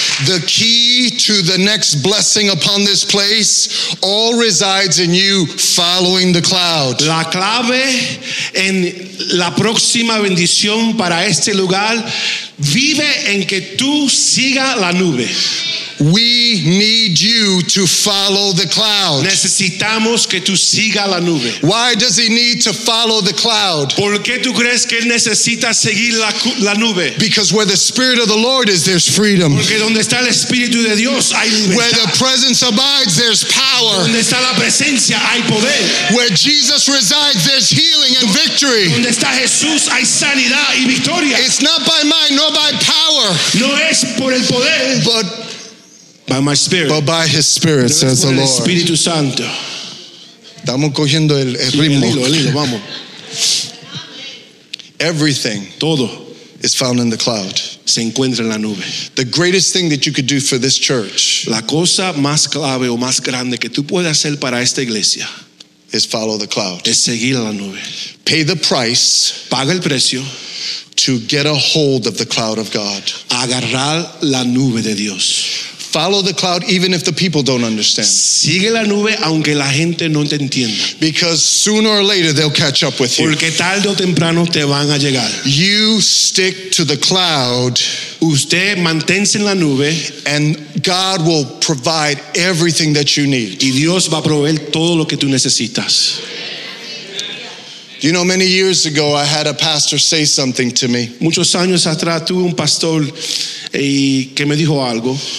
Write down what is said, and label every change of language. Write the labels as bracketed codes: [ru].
[en] The key to the next blessing upon this place all resides in you following the cloud. [es] La clave en la próxima bendición para este lugar vive en que tú siga la nube. [en] We need you to follow the cloud. [es] Necesitamos que tú siga la nube. [en] Why does he need to follow the cloud? [es] ¿Por qué tú crees que él necesita seguir la nube? [en] Because where the Spirit of the Lord is, there's freedom. [es] Porque donde está el Espíritu de Dios, hay libertad. [en] Where the presence abides, there's power. [es] Donde está la presencia, hay poder. [en] Where Jesus resides, there's healing and victory. [es] Donde está Jesús, hay sanidad y victoria. [en] It's not by might nor by power. [es] No es por el poder. [en] But by my spirit. But by his spirit, [es] no, [en] says the Lord. [es] Espíritu Santo. Estamos cogiendo el ritmo. El hilo, vamos. [en] Everything. [es] Todo. [en] Is found in the cloud. [es] Se encuentra en la nube. [en] The greatest thing that you could do for this church. [es] La cosa más clave o más grande que tú puedes hacer para esta iglesia. [en] Is follow the cloud. [es] Es seguir la nube. [en] Pay the price. [es] Paga el precio. [en] To get a hold of the cloud of God. [es] Agarrar la nube de Dios. [en] Follow the cloud even if the people don't understand. [es] Sigue la nube aunque la gente no te entienda. [en] Because sooner or later they'll catch up with you. [es] Porque tarde o temprano te van a llegar. [en] You stick to the cloud. [es] Usted manténse en la nube. [en] And God will provide everything that you need. [es] Y Dios va a proveer todo lo que tú necesitas. [en] You know, many years ago I had a pastor say something to me. [es] Muchos años atrás tuve un pastor que me dijo algo.